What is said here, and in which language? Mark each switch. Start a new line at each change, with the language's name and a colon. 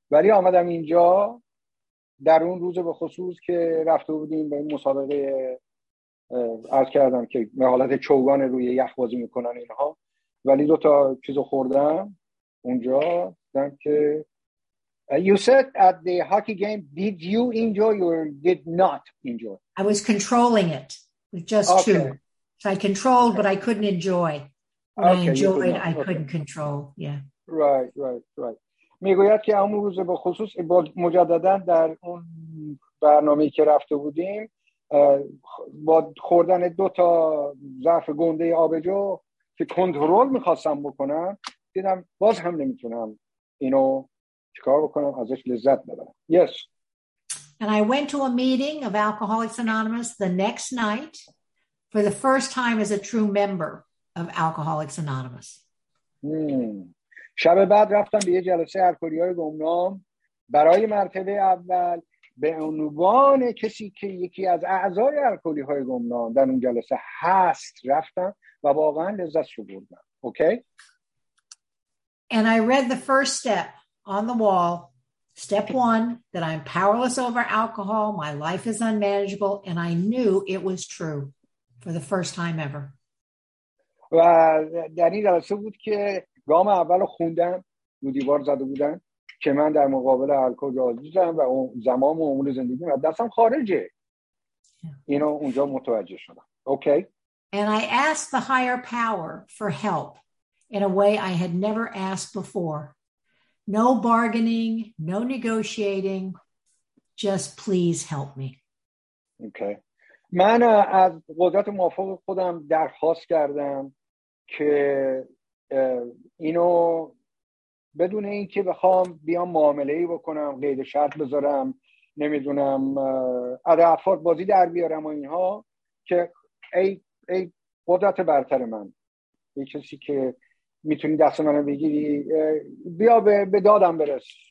Persian: ولی آمدم اینجا در اون روز به خصوص که رفته بودیم به این مسابقه، عرض کردم که به حالت چوگان روی یخ بازی میکنن اینها، ولی دو تا چیزو خوردم اونجا، دیدم که
English: you said at the hockey game did you enjoy or did not enjoy. I was controlling it with just okay. two. So I controlled but I couldn't enjoy. When okay, I enjoyed I couldn't control. Yeah. Right.
Persian: میگوید که اون روز به خصوص مجددا در اون برنامه‌ای که رفته بودیم با خوردن دو تا ظرف گنده آبجو که کنترل می‌خواستم بکنم دیدم باز هم نمیتونم اینو چیکار بکنم ازش لذت ببرم. Yes.
English: And I went to a meeting of Alcoholics Anonymous the next night for the first time as a true member of Alcoholics Anonymous.
Persian: شب بعد رفتم به یه جلسه الکلی‌های گمنام برای مرتبه اول به عنوان کسی که یکی از اعضای الکلی‌های گمنام در اون جلسه هست رفتم و واقعا لذت بردم. اوکی؟
English: And I read the first step on the wall. Step one, that I'm powerless over alcohol, my life is unmanageable, and I knew it was true for the first time ever.
Persian: و در این جلسه بود که گام اول خوندم رو دیوار زده بودن که من در مقابل الکل عاجزم و اون زمام و امور زندگی من دستم خارجه. اینو اونجا متوجه شدم. اوکی.
English: And I asked the higher power for help in a way I had never asked before. No bargaining, no negotiating, just please help me. Okay.
Persian: من از قدرت موافق خودم درخواست کردم که اینو بدون اینکه بخوام بیام معامله ای بکنم، قید شرط بذارم، نمیدونم ادعافات بازی در بیارم و اینها، که ای قدرت برتر من، یه کسی که میتونی دست منو بگیری، بیا به دادم برس،